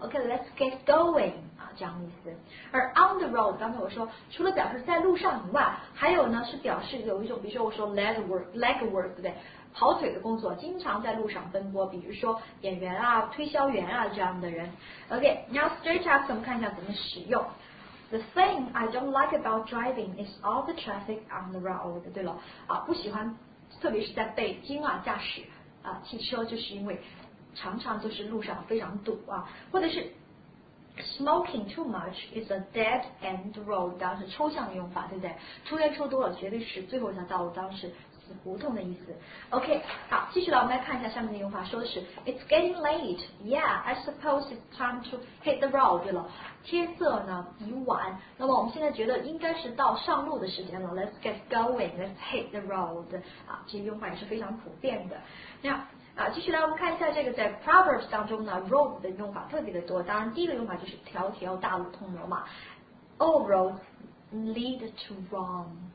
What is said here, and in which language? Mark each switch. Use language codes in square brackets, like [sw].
[zh] OK， [en] let's get going [zh] 啊，这样的意思。而 on the road， 刚才我说除了表示在路上以外，还有呢是表示有一种，比如说我说 leg work， 对不对？跑腿的工作，经常在路上奔波，比如说演员啊、推销员啊这样的人。 OK， [en] now straight up， [zh] 我们看一下怎么使用。 [en] The thing I don't like about driving is all the traffic on the road。 [zh] 对了，啊，不喜欢，特别是在北京啊驾驶啊汽车，就是因为常常就是路上非常堵啊，或者是 [en] smoking too much is a dead end road， [zh] 当时抽象的用法，对不对？抽烟抽多了，绝对是最后一条道路，当时。胡同的意思。OK， 好，继续了，我们来看一下下面的用法，说的是 [en] It's getting late. Yeah, I suppose it's time to hit the road. [zh] 对了，天色呢已晚，那么我们现在觉得应该是到上路的时间了。 [en] Let's get going. Let's hit the road. [zh] 啊，这些用法也是非常普遍的。那啊，继续来，我们看一下这个在 Proverbs 当中呢 road 的用法特别的多。当然第一个用法就是条条大路通罗马， [en] All roads lead to Rome。